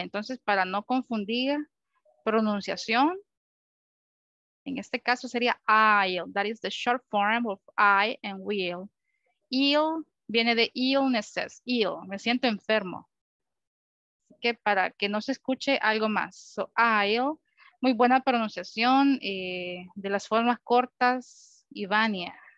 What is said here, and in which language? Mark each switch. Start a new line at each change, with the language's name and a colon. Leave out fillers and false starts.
Spanish: Entonces, para no confundir pronunciación, en este caso sería ill.
English: That is the short form of I and will.
Spanish: Ill viene de illnesses. Ill, me siento enfermo. Que para que no se escuche algo más. So, I'll, muy buena pronunciación de las formas cortas, Ivania.